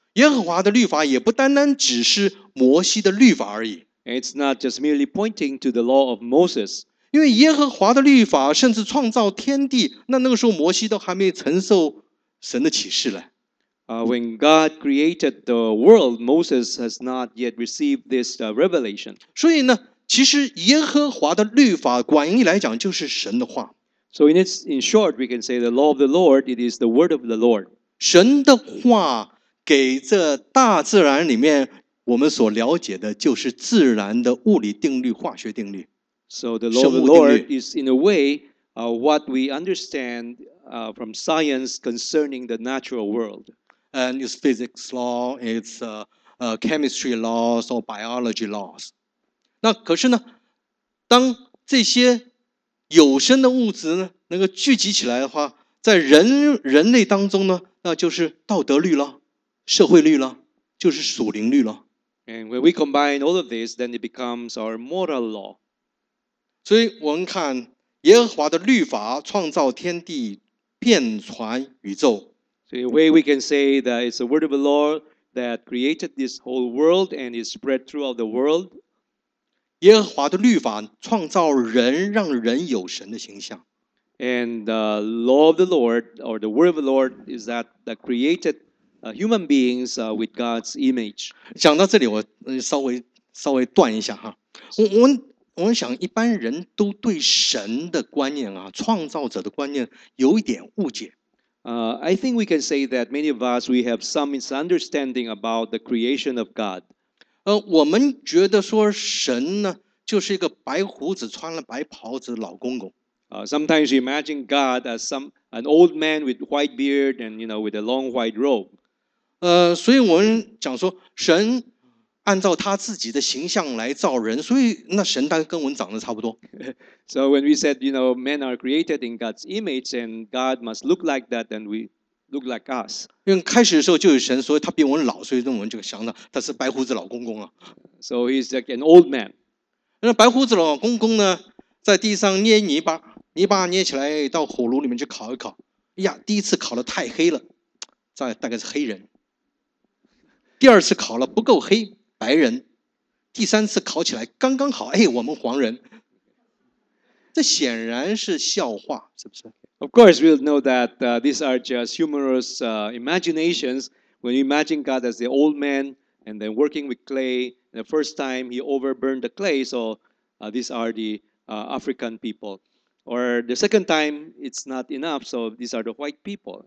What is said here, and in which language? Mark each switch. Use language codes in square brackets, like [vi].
[zh] 耶和华的律法也不单单只是摩西的律法而已。 [en] It's not just merely pointing to the law of Moses. [zh] 因为耶和华的律法甚至创造天地，那个时候摩西都还没承受神的启示了。 [en] When God created the world, Moses has not yet received this revelation. [zh] 所以呢，其实耶和华的律法广义来讲就是神的话。 [en] So in short, we can say the law of the Lord, it is the word of the Lord. [zh] 神的话给这大自然里面我们所了解的就是自然的物理定律、化学定律。 [en] So the law of the Lord is in a way, what we understand, from science concerning the natural world. And it's physics law, it's chemistry laws or biology laws. [zh] 那可是呢，当这些有生的物质呢能够聚集起来的话，在人类当中呢，那就是道德律了，社会律了，就是属灵律了。 [en] And when we combine all of this, then it becomes our moral law. [zh] 所以我们看耶和华的律法创造天地，遍传宇宙。 [en] So in a way we can say that it's the word of the Lord that created this whole world and is spread throughout the world. [zh] 耶和华的律法创造人，让人有神的形象。 [en] And the law of the Lord, or the word of the Lord, is that created human beings with God's image. [zh] 讲到这里，我稍微断一下哈。我想一般人都对神的观念啊，创造者的观念有一点误解。 [en] I think we can say that many of us we have some misunderstanding about the creation of God. [zh] 我们觉得说神呢就是一个白胡子穿了白袍子的老公公。 [en] Sometimes you imagine God as an old man with white beard and you know with a long white robe. [zh] 所以我们讲说神按照他自己的形象来造人，所以那神大概跟我们长得差不多。 [en] So when we said you know men are created in God's image and God must look like that, then we look like us. [zh] 因为开始的时候就有神，所以他比我们老，所以我们就想到他是白胡子老公公了。 [en] So he's like an old man. [zh] 那白胡子老公公呢，在地上捏泥巴，泥巴捏起来到火炉里面去烤一烤。哎呀，第一次烤的太黑了，大概是黑人。第二次烤了不够黑，白人。第三次烤起来刚刚好，哎，我们黄人。这显然是笑话，是不是？ [en] Of course, we'll know that these are just humorous imaginations. When you imagine God as the old man and then working with clay, the first time he overburned the clay, so these are the African people. Or the second time, it's not enough, so these are the white people.